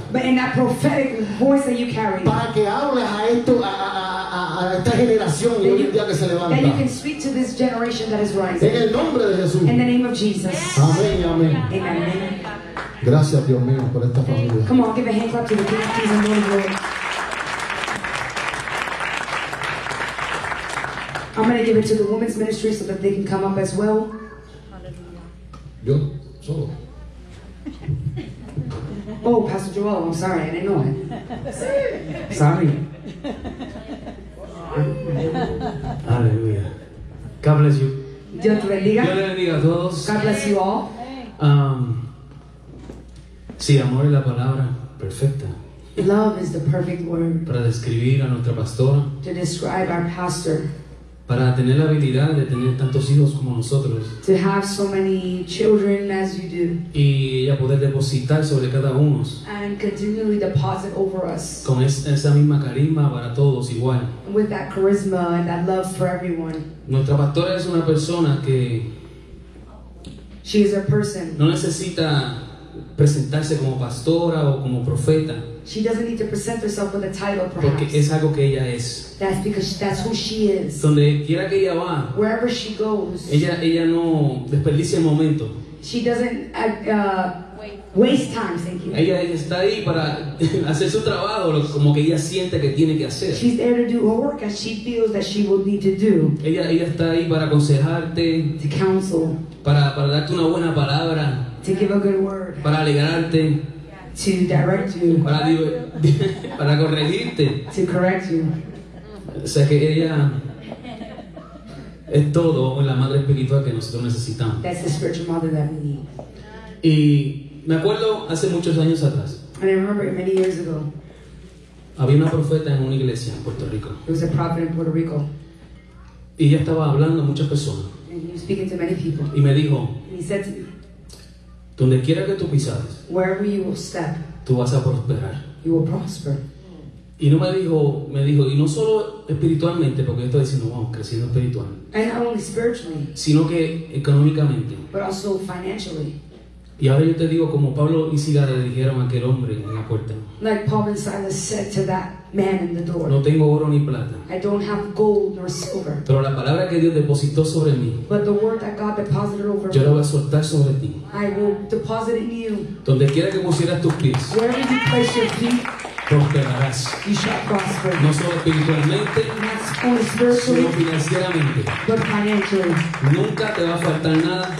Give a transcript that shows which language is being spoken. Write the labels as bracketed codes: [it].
[en] But in that prophetic voice that you carry. [es] Para que hables a esto, a esta generación y hoy en día que se levanta. [en] That you can speak to this generation that is rising. [es] En el nombre de Jesús. [en] In the name of Jesus. [es] Amén, amén. Amén. Gracias, Dios mío, por esta familia. [en] Come on, give a hand clap to the King of Kings and Lord of Lords. I'm going to give it to the women's ministry so that they can come up as well. [es] Yo, solo. [en] Oh, Pastor Joel, I'm sorry, I didn't know it. Sorry. Aleluya. God bless you. [es] Dios te bendiga. Dios le bendiga a todos. [en] God bless you all. [es] Sí, amor es la palabra perfecta. [en] Love is the perfect word. [es] Para describir a nuestra pastora. [en] To describe our pastor. [es] Para tener la habilidad de tener tantos hijos como nosotros. [en] To have so many children as you do. [es] Y ella poder depositar sobre cada uno. [en] And continually deposit over us. [es] Con esa misma carisma para todos igual. [en] With that charisma and that love for everyone. [es] Nuestra pastora es una persona que. [en] She is a person. [es] No necesita presentarse como pastora o como profeta. [en] She doesn't need to present herself with a title, perhaps. [es] Porque es algo que ella es. [en] That's because that's who she is. [es] Donde quiera que ella va. [en] Wherever she goes. [es] Ella no desperdicia el momento. [en] She doesn't waste time, thank you. [es] Ella está ahí para hacer su trabajo como que ella siente que tiene que hacer. [en] She's there to do her work as she feels that she will need to do. [es] Ella está ahí para aconsejarte. [en] To counsel. [es] Para darte una buena palabra. [en] To give a good word. [es] Para alegrarte. [en] To direct you. [es] Para corregirte. [en] To correct you. [es] O sea que ella es todo en la madre espiritual que nosotros necesitamos. [en] That's the spiritual mother that we need. [es] Y me acuerdo hace muchos años atrás. [en] And I remember many years ago. [es] Había una profeta en una iglesia en Puerto Rico. [en] There was a prophet in Puerto Rico. [es] Y ella estaba hablando a muchas personas. [en] And he was speaking to many people. [es] Y me dijo. [en] And he said to me. [es] Donde quiera que tú pisares. [en] Wherever you will step. [es] Tú vas a prosperar. [en] You will prosper. [es] Y no me dijo, y no solo espiritualmente, porque yo estoy diciendo, wow, creciendo espiritualmente, sino que económicamente. [en] But also financially. [es] Y ahora yo te digo, como Pablo y Silas le dijeron a aquel hombre en la puerta. [en] Like Paul and Silas said to that man in the door. [es] No tengo oro ni plata. [en] I don't have gold nor silver. [es] Pero la palabra que Dios depositó sobre mí. [en] But the word that God deposited over me. [es] Yo la voy a soltar sobre ti. [en] I will deposit in you. [es] Donde quiera que pusieras tus pies. [en] Wherever you place your feet. [es] Prosperarás. [en] You shall prosper. [es] No solo espiritualmente, sino financieramente. [en] But financially. [es] Nunca te va a faltar nada.